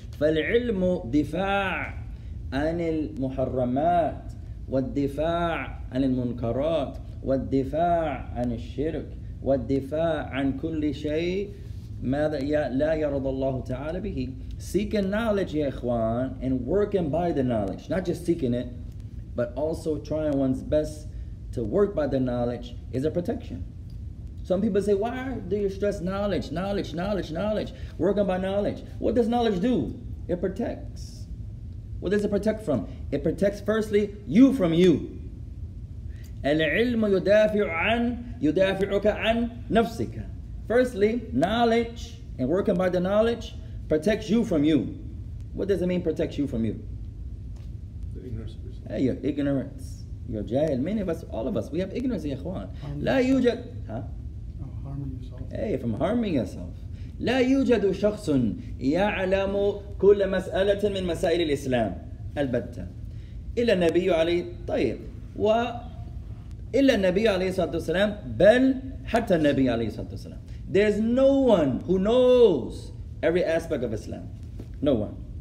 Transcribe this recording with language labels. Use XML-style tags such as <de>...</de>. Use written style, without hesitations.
<ar>فَالْعِلْمُ دِفَاعٌ عن المحرمات والدفاع عن المنكرات والدفاع عن الشرك والدفاع عن كل شيء ماذا لا يرضى الله تعالى به</ar> <en>seeking knowledge</en> <ar>يا إخوان</ar> <en>and working by the knowledge not just seeking it but also trying one's best to work by the knowledge is a protection some people say why do you stress knowledge knowledge knowledge knowledge working by knowledge what does knowledge do it protects What does it protect from? It protects, firstly, you from you.</en> <ar>العلم يدافع عن يدافعك عن نفسك.</ar> <en>Firstly, knowledge and working by the knowledge protects you from you. What does it mean protects you from you? The ignorance person. Hey, your ignorance. Your jahil. Many of us, all of us, we have ignorance,</en> <ar>يا إخوان. لا يوجد.</ar> <en>Huh? Harming yourself. Hey, from harming yourself.</en> <ar>لا يوجد شخص يعلم كل مسألة من مسائل الإسلام البتة إلا النبي عليه طيب وإلا النبي عليه الصلاة والسلام بل حتى النبي عليه الصلاة والسلام</ar> <en>There's no one who knows every aspect of Islam No one</en>